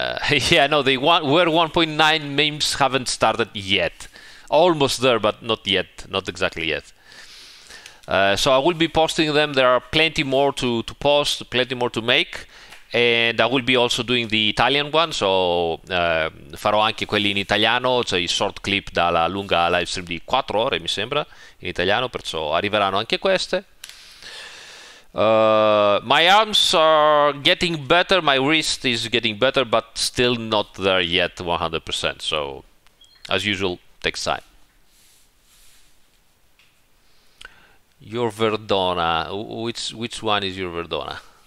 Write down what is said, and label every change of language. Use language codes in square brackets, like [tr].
[en] Yeah, no, where 1.9 memes haven't started yet. Almost there, but not yet, not exactly yet. So I will be posting them. There are plenty more to post, plenty more to make. And I will be also doing the Italian one. [it] So farò anche quelli in italiano, cioè short clip dalla lunga live stream di 4 ore, mi sembra, in italiano, perciò arriveranno anche queste. [en] My arms are getting better, my wrist is getting better, but still not there yet 100%, so as usual, takes time. Your Verdona, which one is your Verdona?